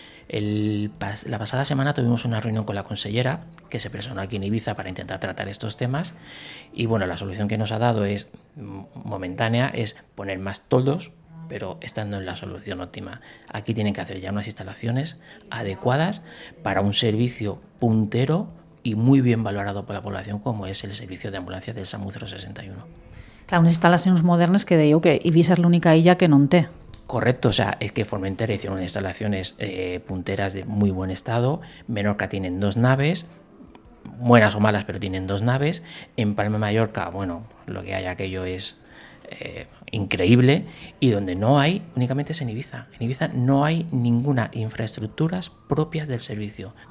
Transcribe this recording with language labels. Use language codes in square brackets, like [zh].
[es] La pasada semana tuvimos una reunión con la consellera, que se personó aquí en Ibiza para intentar tratar estos temas, y bueno, la solución que nos ha dado es momentánea, es poner más toldos, pero esta no es la solución óptima. Aquí tienen que hacer ya unas instalaciones adecuadas para un servicio puntero y muy bien valorado por la población, como es el servicio de ambulancias del SAMU 061. [ca] Clar, unes instal·lacions modernes que deieu que Ibiza és l'única illa que no en té. [es] Correcto, o sea, es que Formentera hicieron unas instalaciones punteras de muy buen estado. Menorca tienen dos naves, buenas o malas, pero tienen dos naves. En Palma Mallorca, bueno, lo que hay aquello es increíble. Y donde no hay, únicamente es en Ibiza. En Ibiza no hay ninguna infraestructuras propias del servicio.